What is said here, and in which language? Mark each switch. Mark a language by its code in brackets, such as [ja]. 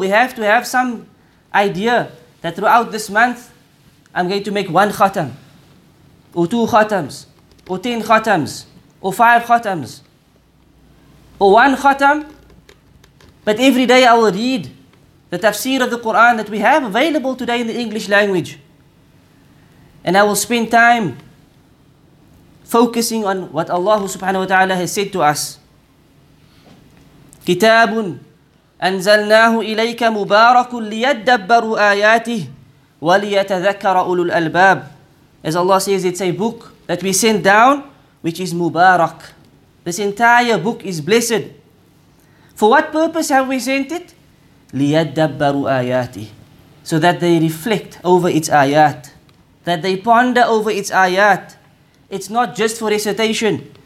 [en] We have to have some idea that throughout this month, I'm going to make one khatam, or two khatams, or 10 khatams, or 5 khatams, or one khatam. But every day I will read the tafsir of the Quran that we have available today in the English language. And I will spend time focusing on what Allah subhanahu wa ta'ala has said to us. [ar] كتاب أنزلناه إليك مبارك ليدبروا آياته وليتذكر أولو الألباب. [en] As Allah says, it's a book that we sent down, which is mubarak. This entire book is blessed. For what purpose have we sent it? [ar] ليدبروا آياته. [en] So that they reflect over its ayat. That they ponder over its ayat. It's not just for recitation.